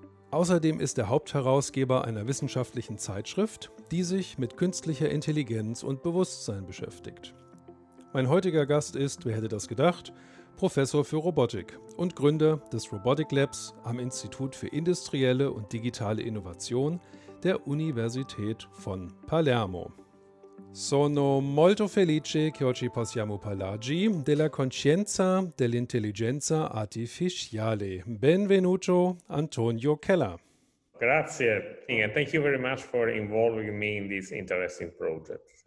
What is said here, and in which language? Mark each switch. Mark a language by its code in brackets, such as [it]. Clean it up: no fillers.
[de] Außerdem ist er Hauptherausgeber einer wissenschaftlichen Zeitschrift, die sich mit künstlicher Intelligenz und Bewusstsein beschäftigt. Mein heutiger Gast ist, wer hätte das gedacht, Professor für Robotik und Gründer des Robotic Labs am Institut für industrielle und digitale Innovation der Universität von Palermo. [it] Sono molto felice che oggi possiamo parlare della coscienza dell'intelligenza artificiale. Benvenuto, Antonio Keller. [en] Grazie, and thank you very much for involving me in this interesting project.